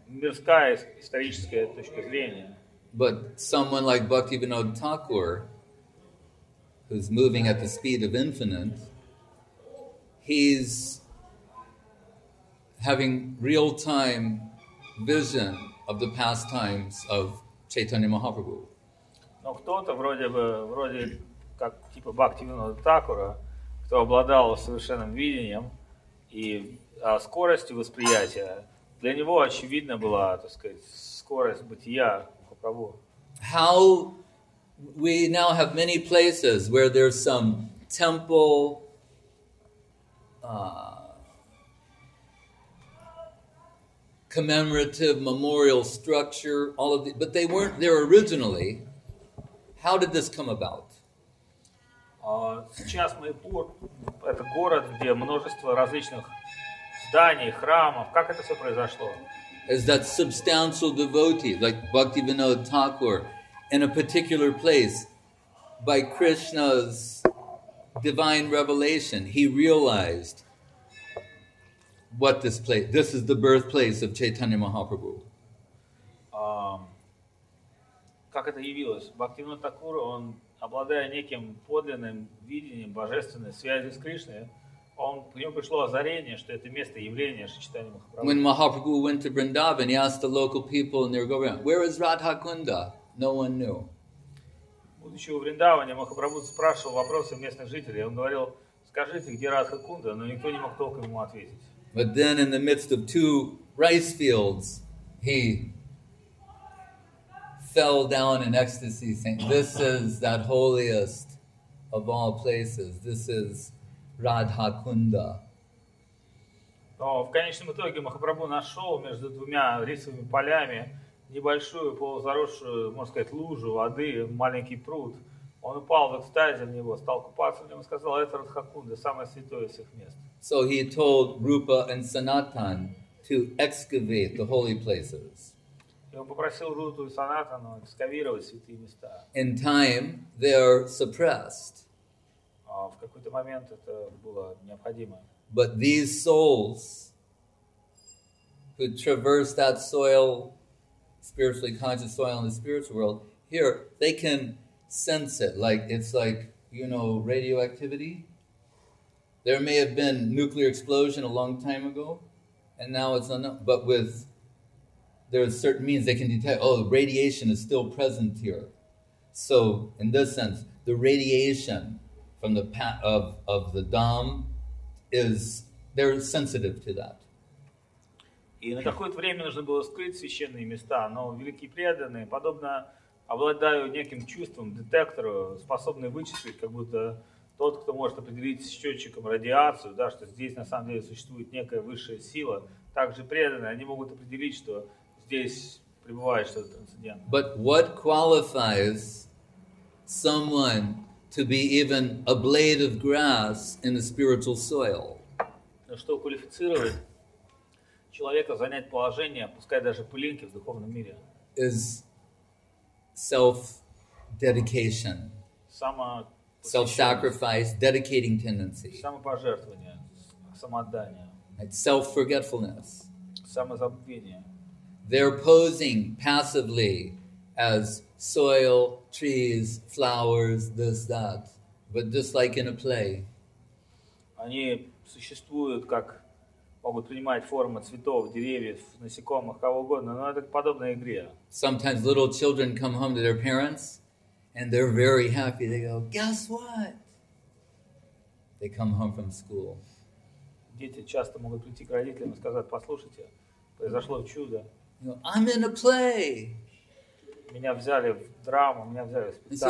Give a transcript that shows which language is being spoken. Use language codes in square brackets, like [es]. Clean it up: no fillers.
[ru] Мирская историческая точка зрения. [en] But someone like Bhaktivinoda Thakur, who's moving at the speed of infinite, he's having real-time vision of the pastimes of Chaitanya Mahaprabhu. [ru] Но кто-то вроде как типа Бхактивинода Такура, кто обладал совершенным видением и скоростью восприятия, для него очевидна была, так сказать, скорость бытия Махапрабху. [en] How we now have many places where there's some temple commemorative memorial structure, all of the, but they weren't there originally. How did this come about? [ru] Сейчас Майпур — это город, где множество различных зданий, храмов. Как это все произошло? [en] Is that substantial devotee, like Bhaktivinoda Thakur, in a particular place, by Krishna's divine revelation, he realized what this place, this is the birthplace of Chaitanya Mahaprabhu. [ru] Как это явилось? Бхактивинода Такур, он, обладая неким подлинным видением божественной связи с Кришной, он, к нему пришло озарение, что это место явления Шичтани Махапрабху. [en] When Mahaprabhu went to Vrindavan, he asked the local people in their government, where is Radhakunda? No one knew. [ru] Будучи у Вриндавана, Махапрабху спрашивал вопросы местных жителей. Он говорил, скажите, где Радхакунда? Но никто не мог толком ему ответить. [en] But then in the midst of two rice fields, he fell down in ecstasy, saying, this is that holiest of all places. This is Radhakunda. [ru] Но в конечном итоге Махапрабху нашел между двумя рисовыми полями небольшую полузаросшую, можно сказать, лужу воды, маленький пруд. Он упал в экстазе в него, стал купаться в нем и сказал, это Радхакунда, самое святое из всех мест. [en] So he told Rupa and Sanatan to excavate the holy places. [ru] И он попросил Руту и Санатану экскавировать святые места. [en] In time, they are suppressed. [ru] В какой-то момент это было необходимо. [en] But these souls who traverse that soil, spiritually conscious soil in the spiritual world, here, they can sense it. Like, it's like, you know, radioactivity. There may have been nuclear explosion a long time ago, and now it's unknown. But with, there are certain means they can detect, oh, radiation is still present here. So, in this sense, the radiation from the path of the Dham is, they're sensitive to that. [ru] И на какое-то время нужно было скрыть священные места, но великие преданные, подобно обладаю неким чувством, детектору, способный вычислить, как будто тот, кто может определить счетчиком радиацию, да, что здесь на самом деле существует некая высшая сила, также преданные, они могут определить, что здесь пребывает что-то трансцендентное. [en] But what qualifies someone to be even a blade of grass in the spiritual soil? [ru] Что квалифицирует человека занять положение, пускай даже пылинки в духовном мире, [en] is self-dedication, self-sacrifice, dedicating tendency, [ru] самопожертвование, самоотдание, [en] self-forgetfulness, [ru] самозабвение. [en] They're posing passively as soil, trees, flowers, this, that, but just like in a play. [ru] Они существуют как могут принимать формы цветов, деревьев, насекомых, кого угодно, но это подобно игре. [en] Sometimes little children come home to their parents, and they're very happy. They go, guess what? They come home from school. [ru] Дети часто могут прийти к родителям и сказать, послушайте, произошло чудо. [en] You know, I'm in a play. [ru] Меня взяли в драму, меня взяли в спектакль.